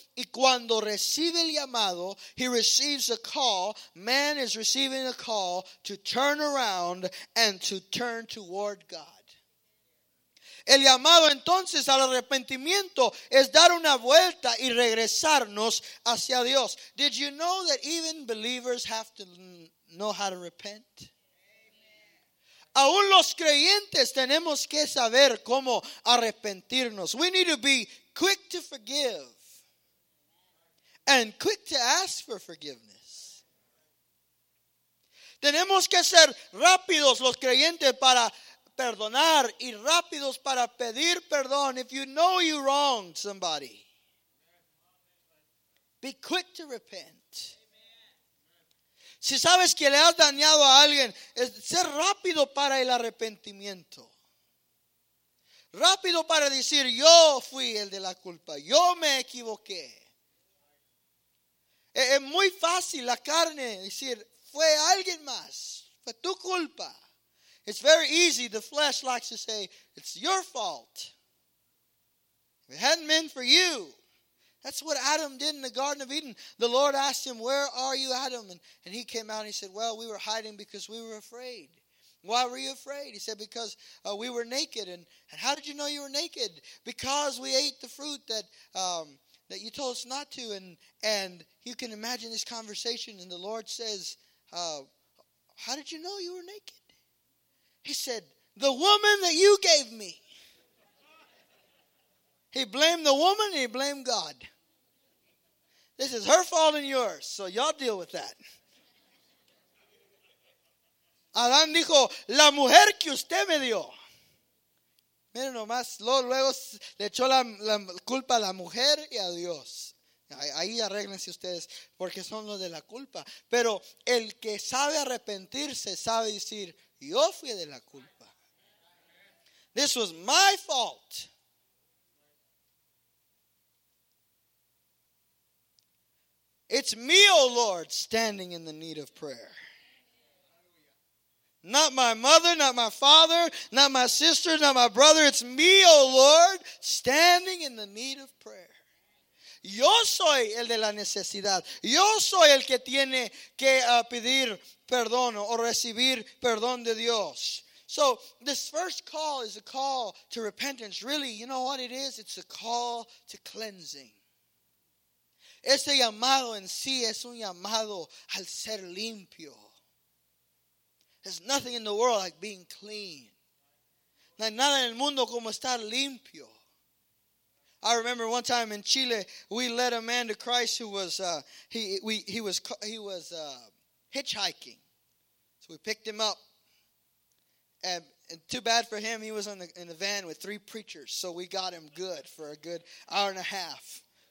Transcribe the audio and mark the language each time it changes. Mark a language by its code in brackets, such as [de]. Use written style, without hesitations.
[es] Y cuando recibe el llamado, [en] he receives a call. Man is receiving a call to turn around and to turn toward God. [es] El llamado entonces al arrepentimiento es dar una vuelta y regresarnos hacia Dios. [en] Did you know that even believers have to know how to repent? [es] Aún los creyentes tenemos que saber cómo arrepentirnos. [en] We need to be quick to forgive and quick to ask for forgiveness. [es] Tenemos que ser rápidos los creyentes para perdonar y rápidos para pedir perdón. [en] If you know you wronged somebody, be quick to repent. [es] Si sabes que le has dañado a alguien, ser rápido para el arrepentimiento. Rápido para decir, yo fui el de la culpa, yo me equivoqué. Es muy fácil la carne decir, fue alguien más, fue tu culpa. [en] It's very easy. The flesh likes to say, it's your fault. If it hadn't been for you. That's what Adam did in the Garden of Eden. The Lord asked him, where are you, Adam? And he came out and he said, well, we were hiding because we were afraid. Why were you afraid? He said, because we were naked. And how did you know you were naked? Because we ate the fruit that that you told us not to. And you can imagine this conversation. And the Lord says, how did you know you were naked? He said, the woman that you gave me. He blamed the woman and he blamed God. This is her fault and yours, so y'all deal with that. [es] Adán dijo, la mujer que usted me dio. Miren nomás, luego le echó la culpa a la mujer y a Dios. Ahí arréglense ustedes, porque son los de la culpa. Pero el que sabe arrepentirse sabe decir, yo fui de la culpa. [en] This was my fault. It's me, oh Lord, standing in the need of prayer. Not my mother, not my father, not my sister, not my brother. It's me, oh Lord, standing in the need of prayer. [es] Yo soy el de la necesidad. Yo soy el que tiene que pedir perdón o recibir perdón de Dios. [en] So this first call is a call to repentance. Really, you know what it is? It's a call to cleansing. [es] Este llamado en sí es un llamado al ser limpio. [en] There's nothing in the world like being clean. [es] No hay nada en el mundo como estar limpio. [en] I remember one time in Chile, we led a man to Christ who was hitchhiking, so we picked him up, and too bad for him, he was in the van with three preachers, so we got him good for a good hour and a half.